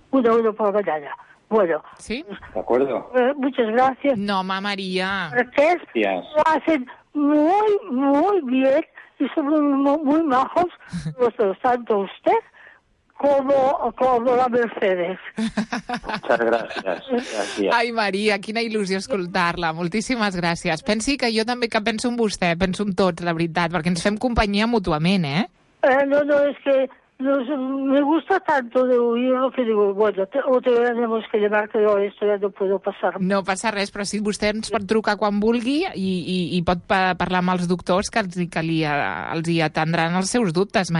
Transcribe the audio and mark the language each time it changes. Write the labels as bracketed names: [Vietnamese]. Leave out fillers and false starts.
[Spanish] Uno por la mañana. Bueno. ¿Sí? De acuerdo. Muchas gracias. No, mamá María. Gracias. Lo hacen muy, muy bien y son muy, muy majos los dos, tanto usted como la Mercedes. Muchas gracias. [Catalan] Ai, Maria, quina il·lusió escoltar-la. Moltíssimes gràcies. Pensi que jo també que penso en vostè, penso en tots, la veritat, perquè ens fem companyia mútuament, eh? [Spanish] No, és que me gusta tanto de oír lo que digo, bueno, o te tenemos que llamar, que yo esto ya no puedo pasar. [Catalan] No passa res, però si vostè ens pot trucar quan vulgui i pot parlar amb els doctors, que els hi atendran els seus dubtes.